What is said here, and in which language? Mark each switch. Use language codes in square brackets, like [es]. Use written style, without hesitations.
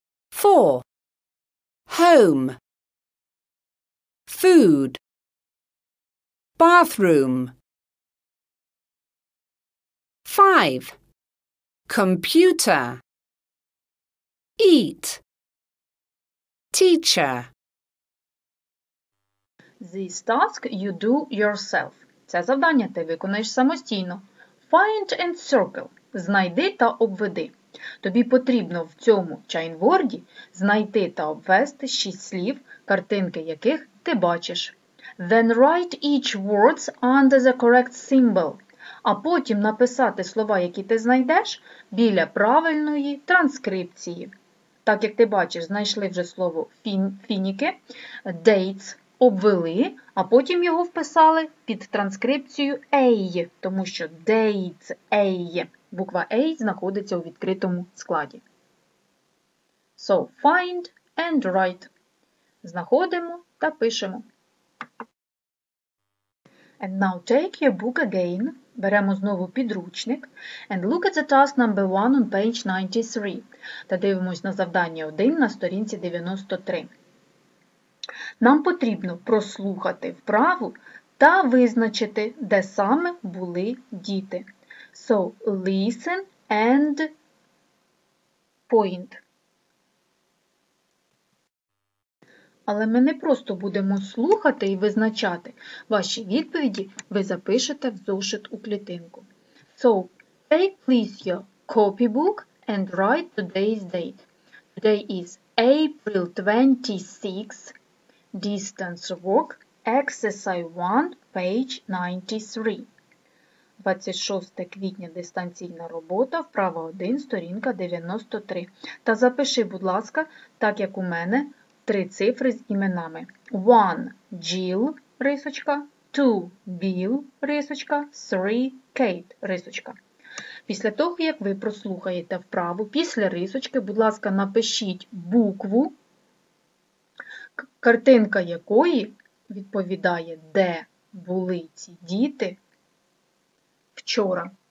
[en] 4. Home. Food. Bathroom. 5. Computer. Eat. Teacher. This task you do yourself. [uk] Це завдання ти виконуєш самостійно. [en] Find and circle. [uk] Знайди та обведи. Тобі потрібно в цьому чайнворді знайти та обвести 6 слів, картинки яких ти бачиш. [en] Then write each word under the correct symbol. [uk] А потім написати слова, які ти знайдеш, біля правильної транскрипції. Так як ти бачиш, знайшли вже слово фініки, dates, обвели, а потім його вписали під транскрипцію A, тому що dates, A, буква A знаходиться у відкритому складі. [en] So, find and write. [uk] Знаходимо та пишемо. [en] And now take your book again. [uk] Беремо знову підручник. [en] And look at the task number 1 on page 93. [uk] Та дивимось на завдання 1 на сторінці 93. Нам потрібно прослухати вправу та визначити, де саме були діти. [en] So, listen and point. [uk] Але ми не просто будемо слухати і визначати. Ваші відповіді ви запишете в зошит у клітинку. [en] So, take please your copybook and write today's date. Today is April 26. Distance work, exercise 1, page 93. [uk] 26 квітня – дистанційна робота, вправа 1, сторінка 93. Та запиши, будь ласка, так як у мене, три цифри з іменами. 1 – Jill, 2 – Bill, 3 – Kate, рисочка. Після того, як ви прослухаєте вправу, після рисочки, будь ласка, напишіть букву, картинка якої відповідає, де були ці діти вчора.